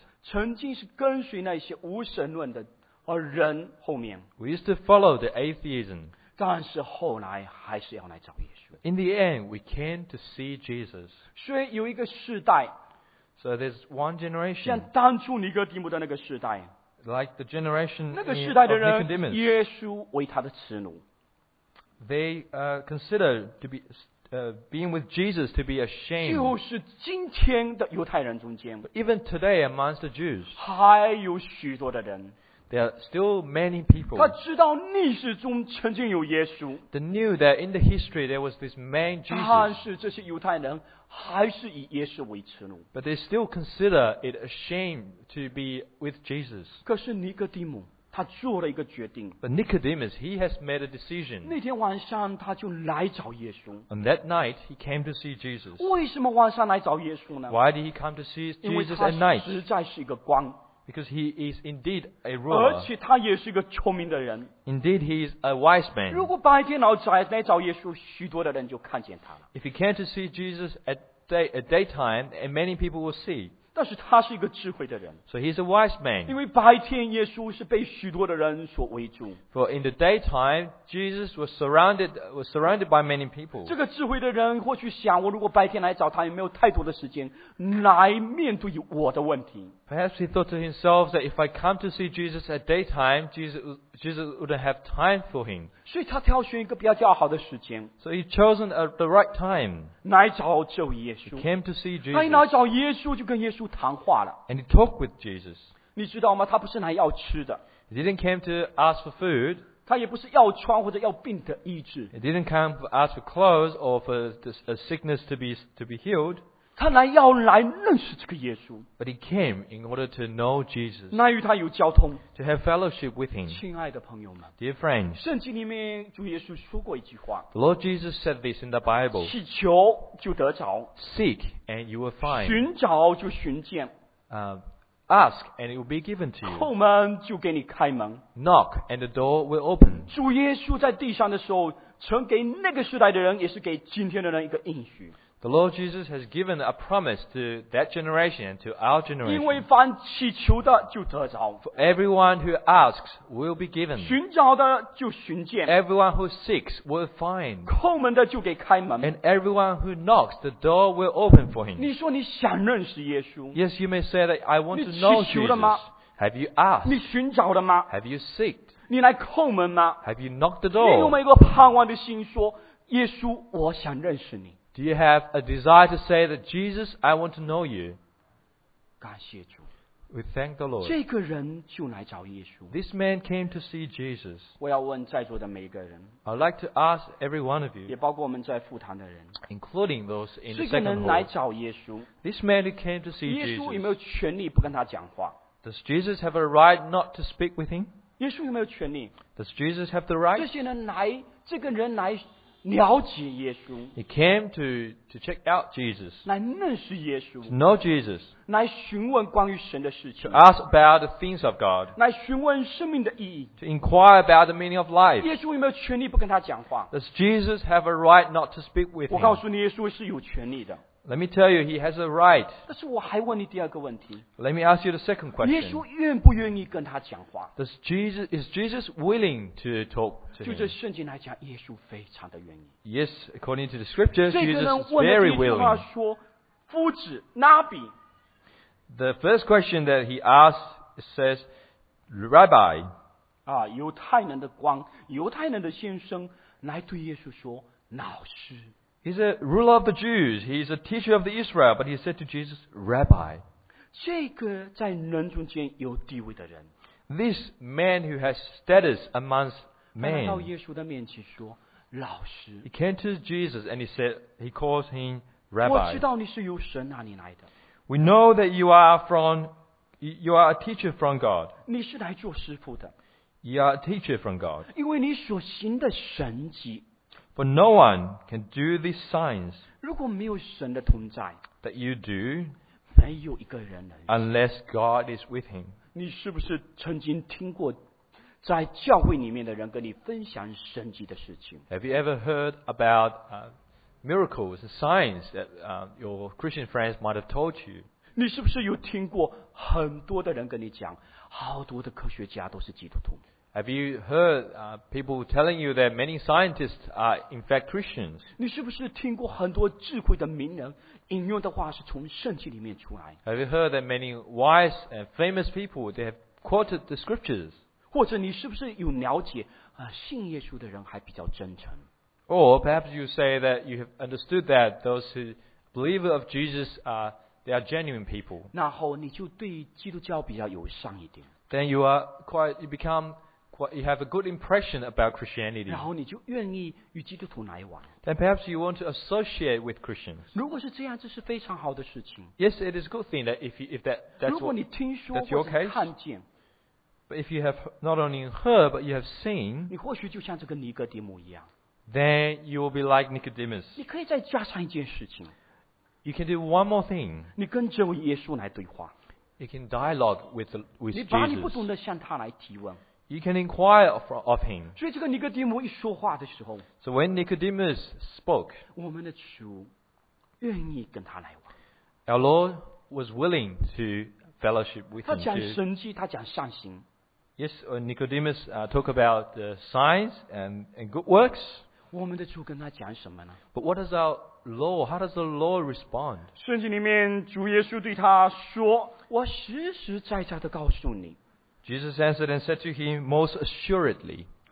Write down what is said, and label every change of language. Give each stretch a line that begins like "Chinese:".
Chinese: 曾经是跟随那些无神论的人后面。
English: We used to follow the atheism.
Chinese: 但是后来还是要来找耶稣。
English: In the end, we came to see Jesus.
Chinese: 所以有一个世代。
English: So there's one generation.
Chinese: 像当初尼哥底母的那个世代。
English: Like the generation of Nicodemus.
Chinese: 那个世代的人，耶稣为他的耻辱。
English: They considered to be. Being with Jesus to be ashamed.
Chinese: 就是今天的犹太人中间。
English: Even today amongst the Jews.
Chinese: 还有许多的人。
English: There are still many people.
Chinese: 他知道历史中曾经有耶稣。
English: They knew that in the history there was this man Jesus.
Chinese: 但是这些犹太人还是以耶稣为耻辱。
English: But they still consider it a shame to be with Jesus.
Chinese: 可是尼哥底母他做了一个决定。
English: But Nicodemus, he has made a decision.
Chinese: 那天晚上他就来找耶稣。
English: And that night, he came to see Jesus.
Chinese: 为什么晚上来找耶稣呢？
English: Why did he come to see Jesus at night?
Chinese: 因为他实在是一个光。
English: Because he is indeed a ruler.
Chinese: 而且他也是一个聪明的人。
English: Indeed, he is a wise man.
Chinese: 如果白天来找耶稣，许多的人就看见他了。
English: If he came to see Jesus at daytime, and many people will see.
Chinese: 但是他是一个智慧的人。
English: So he's a wise man.
Chinese: 因为白天耶稣是被许多的人所围住。
English: For in the daytime, Jesus was surrounded by many people.
Chinese: 这个智慧的人或许想，我如果白天来找他，也没有太多的时间来面对我的问题。
English: Perhaps he thought to himself that if I come to see Jesus at daytime, Jesus wouldn't have time for him.
Chinese: 所以他挑选一个比较好的时间。
English: So he chosen the right time.
Chinese: 来找这位耶稣。
English: He came to see Jesus.
Chinese: 他来找耶稣就跟耶稣谈话了。
English: And he talked with Jesus.
Chinese: 你知道吗？他不是来要吃的。
English: He didn't come to ask for food.
Chinese: 他也不是要穿或者要病的医治。
English: He didn't come to ask for clothes or for a sickness to be healed.
Chinese: 他来要来认识这个耶稣。
English: But he came in order to know Jesus.
Chinese: 那与他有交通。
English: To have fellowship with him.
Chinese: 亲爱的朋友们。
English: Dear friends.
Chinese: 圣经里面主耶稣说过一句话。
English: The Lord Jesus said this in the Bible.
Chinese: 祈求就得着。
English: Seek and you will find.
Chinese: 寻找就寻见。
English: Ask and it will be given to you.
Chinese: 叩门就给你开门。
English: Knock and the door will open.
Chinese: 主耶稣在地上的时候曾给那个时代的人也是给今天的人一个应许。
English: The Lord Jesus has given a promise to that generation and to our generation.
Chinese: 因为凡祈求的就得着。
English: For everyone who asks will be given.
Chinese: 寻找的就寻见。
English: Everyone who seeks will find.
Chinese: 叩门的就给开门。
English: And everyone who knocks, the door will open for him.
Chinese: 你说你想认识耶稣。
English: Yes, you may say that I want to know Jesus.
Chinese: 你祈求了吗？
English: Have you asked?
Chinese: 你寻找了吗？
English: Have you seeked?
Chinese: 你来叩门吗？
English: Have you knocked the door?
Chinese: 你有没有一个盼望的心说，耶稣，我想认识你。
English: Do you have a desire to say that Jesus, I want to know you?
Chinese: 感谢主。
English: We thank the Lord.
Chinese: 这个人就来找耶稣。
English: This man came to see Jesus.
Chinese: 我要问在座的每一个人。
English: I'd like to ask every one of you.
Chinese: 也包括我们在父堂的人。
English: Including those in the second hall.
Chinese: 这个人来找耶稣。
English: This man who came to see Jesus.
Chinese: 耶稣有没有权利不跟他讲话？
English: Does Jesus have a right not to speak with him?
Chinese: 耶稣有没有权利？
English: Does Jesus have the right?
Chinese: 这些人来，这个人来。了解耶稣。
English: He came to check out Jesus.
Chinese: 来认识耶稣。
English: To know Jesus.
Chinese: 来询问关于神的事情。
English: To ask about the things of God.
Chinese: 来询问生命的意义。
English: To inquire about the meaning of life.
Chinese: 耶稣有没有权利不跟他讲话？
English: Does Jesus have a right not to speak with him?
Chinese: 我告诉你，耶稣是有权利的。
English: Let me tell you, he has a right.
Chinese: 但是我还问你第二个问题。
English: Let me ask you the second question.
Chinese: 耶稣愿不愿意跟他讲话？
English: Is Jesus willing to talk to him?
Chinese: 就这圣经来讲，耶稣非常的愿意。
English: Yes, according to the scriptures, Jesus is very willing.
Chinese: 这个人问了一句话说，夫子，拉比。
English: The first question that he asked says, Rabbi.
Chinese: 啊，犹太人的官，犹太人的先生来对耶稣说，老师。
English: He's a ruler of the Jews. He's a teacher of the Israel. But he said to Jesus, Rabbi.
Chinese: 这个在人中间有地位的人。
English: This man who has status amongst men.
Chinese: 来到耶稣的面前说，老师。
English: He came to Jesus and he calls him Rabbi.
Chinese: 我知道你是由神哪里来的。
English: We know that you are a teacher from God.
Chinese: 你是来做师傅的。
English: You are a teacher from God.
Chinese: 因为你所行的神迹。
English: For no one can do these signs.
Chinese: 如果没有神的同在。
English: That you do.
Chinese: 没有一个人能。
English: Unless God is with him.
Chinese: 你是不是曾经听过在教会里面的人跟你分享神迹的事情？
English: Have you ever heard about miracles and signs that your Christian friends might have told you?
Chinese: 你是不是有听过很多的人跟你讲，好多的科学家都是基督徒？
English: Have you heard people telling you that many scientists are in fact Christians?
Chinese: 你是不是听过很多智慧的名人引用的话是从圣经里面出来？
English: Have you heard that many wise and famous people they have quoted the scriptures?
Chinese: 或者你是不是有了解信耶稣的人还比较真诚？
English: Or perhaps you say that you have understood that those who believe of Jesus they are genuine people.
Chinese: 然后你就对基督教比较友善一点。
English: Then you are quite, you become quite, you have a good impression about Christianity.
Chinese: 然后你就愿意与基督徒来往。
English: Then perhaps you want to associate with Christians.
Chinese: 如果是这样，这是非常好的事情。
English: Yes, it is a good thing that if that's your case.
Chinese: 如果你听说或者看见。
English: But if you have not only heard but you have seen.
Chinese: 你或许就像这个尼哥底母一样。
English: Then you will be like Nicodemus.
Chinese: 你可以再加上一件事情。
English: You can do one more thing.
Chinese: 你跟这位耶稣来对话。
English: You can dialogue with Jesus.
Chinese: 你把你不懂的向他来提问。
English: You can inquire of him.
Chinese: 所以这个尼哥底母一说话的时候。
English: So when Nicodemus spoke.
Chinese: 我们的主愿意跟他来往。
English: Our Lord was willing to fellowship with him.
Chinese: 他讲神迹，他讲善行。
English: Yes, Nicodemus talk about the signs and good works.
Chinese: 我们的主跟他讲什么呢？
English: But what does our Lord, how does the Lord respond?
Chinese: 圣经里面主耶稣对他说，我实实在在的告诉你。
English: Jesus answered and said to him, most assuredly.